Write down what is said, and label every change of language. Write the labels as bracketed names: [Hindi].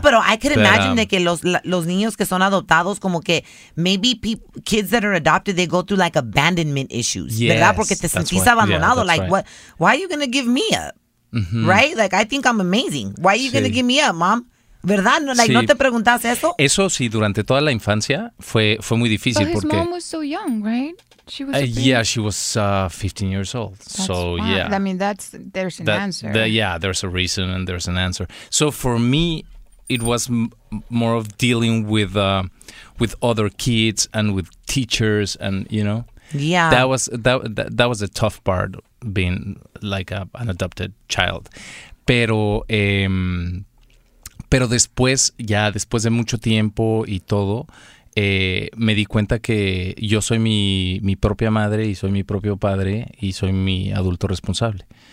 [Spanish] Pero [English] I could imagine that [Spanish] los niños que son adoptados, como que [English] maybe kids that are adopted, they go through like abandonment issues. Yes, [Spanish] ¿verdad? Porque te sentís abandonado. [English] Yeah, like, right. What? Why are you going to give me up? Mm-hmm. Right? Like, I think I'm amazing. Why are you going to give me up, mom? [Spanish] ¿Verdad? [English] Like, [Spanish] sí. ¿No te preguntaste eso? Eso sí, durante toda la infancia fue muy difícil. [English] But [Spanish] porque [English] mom was so young, right? She was she was 15 years old. That's so, wild. Yeah. I mean, there's an answer. There's a reason and there's an answer. So for me, it was more of dealing with other kids and with teachers and, you know. Yeah. That was a tough part, being like an adopted child. [Spanish] Pero después, ya después de mucho tiempo y todo, me di cuenta que yo soy mi propia madre y soy mi propio padre y soy mi adulto responsable.